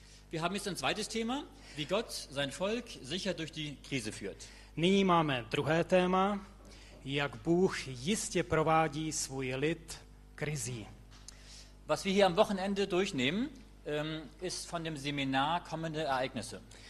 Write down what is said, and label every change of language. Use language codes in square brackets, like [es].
[de] Wir haben jetzt ein zweites Thema, wie Gott sein Volk sicher durch die Krise führt. [cs] Nyní máme druhé téma, jak Bůh jistě provádí svůj lid krizí. [de] Was wir hier am Wochenende durchnehmen, ist von dem Seminar kommende Ereignisse.